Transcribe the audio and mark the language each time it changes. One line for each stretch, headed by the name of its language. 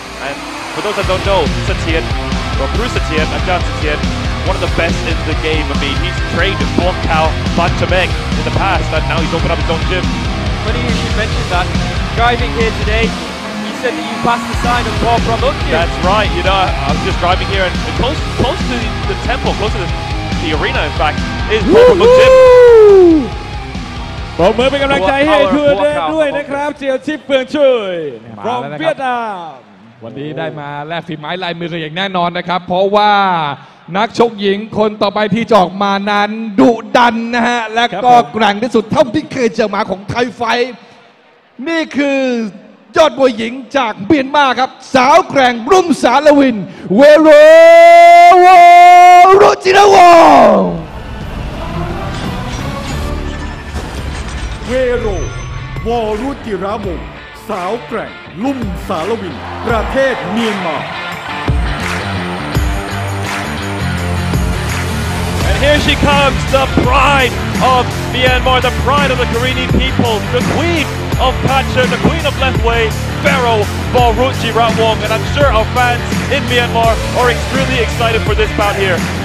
English: And for those that don't know, Satien. Well, Bruce Satien, Ajahn Satien, one of the best in the game. I mean, he's trained with Bon Cao Ban Chamek in the past, and now he's opened up his own gym. Funny you should mention that. Driving here today, he said that you passed the sign of Paul Prabhupada. That's right. You know, I was just driving here, and close to the temple, close to the arena, in fact, is Paul Prabhupada.
Thai: ปรบมือเป็นกำลังใจให้ทุกท่านด้วยนะครับเจียวชิปเฟืองช่วยฟรอมเวียดนาม วันนี้ได้มาแลกฝีไม้ลายมือกันอย่างแน่นอนนะครับเพราะว่านักชกหญิงคนต่อไปที่จอกมานั้นดุดันนะฮะและก็แกร่งที่สุดเท่าที่เคยเจอมาของไทยไฟนี่คือยอดมวยหญิงจากเมียนมาครับสาวแกร่งรุ่มสารวินเวโรวรุจินวง เวโรวรุจิระวงสาวแกร่งลุ่มสาลวินประเทศเมียนมา
English: And here she comes the pride of Myanmar the pride of the Karini people the queen of Pacha the queen of Lethwe Pharaoh Boruchi Ratwong and I'm sure our fans in Myanmar are extremely excited for this bout here